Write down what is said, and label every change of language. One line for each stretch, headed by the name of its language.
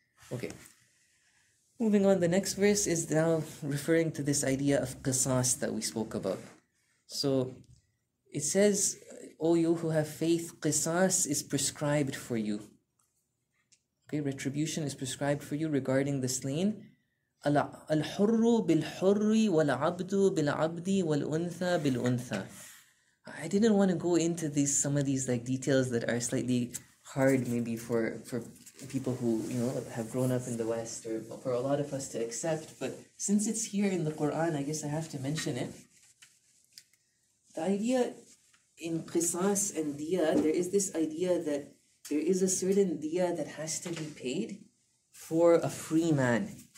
English: Okay. Moving on, the next verse is now referring to this idea of qisas that we spoke about. So it says, O you who have faith, qisas is prescribed for you. Okay, retribution is prescribed for you regarding the slain
Arabic: الحر بالحر والعبد بالعبد والأنثى بالأنثى.
English: I didn't want to go into these some of these like details that are slightly hard maybe for people who, you know, have grown up in the West or for a lot of us to accept. But since it's here in the Quran, I guess I have to mention it. The idea in Qisas and Diya, there is this idea that there is a certain Diya that has to be paid for a free man.